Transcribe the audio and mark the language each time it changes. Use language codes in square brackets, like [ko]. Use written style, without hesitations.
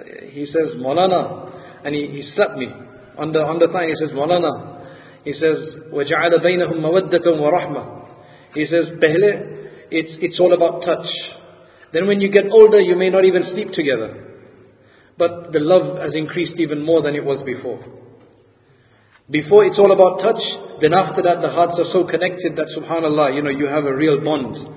[en] He says, Molana, and he slapped me on the thigh. He says, Molana. He says, [ar] وَجَعَلَ بَيْنَهُمْ مَوَدَّةً وَرَحْمَةً. [en] He says, Pehle, it's all about touch. Then when you get older, you may not even sleep together. But the love has increased even more than it was before. Before it's all about touch, then after that the hearts are so connected that subhanAllah, you know, you have a real bond.